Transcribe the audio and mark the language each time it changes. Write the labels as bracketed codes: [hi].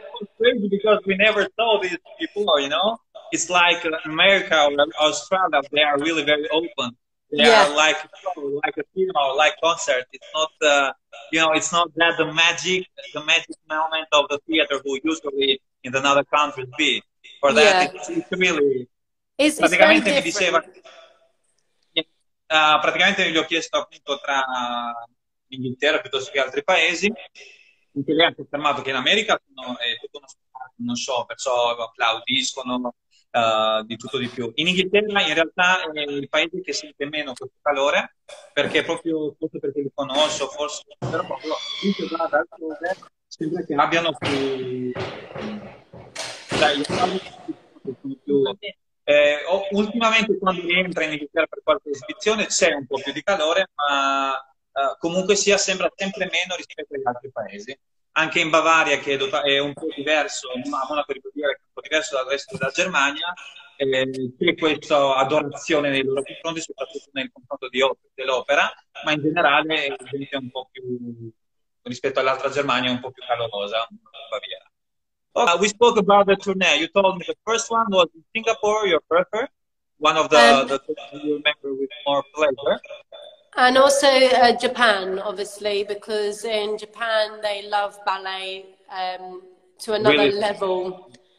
[en] It's crazy because we never saw this before, you know. It's like America or Australia, they are really very open. like a funeral, like concert. It's not, you know, it's not that the magic moment of the theater who usually in another country be. For that, it's really... [it] Praticamente mi diceva... Praticamente gli ho chiesto appunto tra l'Inghilterra piuttosto che altri paesi, in cui lei ha confermato che in America sono, è tutto uno spettacolo, non so, perciò applaudiscono di tutto di più. In Inghilterra in realtà è il paese che sente meno questo calore, perché proprio forse perché li conosco, forse, però proprio tutto là da altrove sembra che abbiano più... Dai, più... ultimamente quando entra in Inghilterra per qualche esibizione c'è un po' più di calore, ma comunque sia sembra sempre meno rispetto agli altri paesi. Anche in Bavaria, che è un po' diverso, ma non per dire che è un po' diverso dal resto della Germania, c'è questa adorazione nei loro confronti, soprattutto nel confronto dell'opera, ma in generale è un po' più rispetto all'altra Germania, è un po' più calorosa Baviera. [en] We spoke about the tournée. You told me the first one was in Singapore, your preferred, one of the things you remember with more pleasure. And also Japan, obviously, because in Japan they love ballet to another really? Level.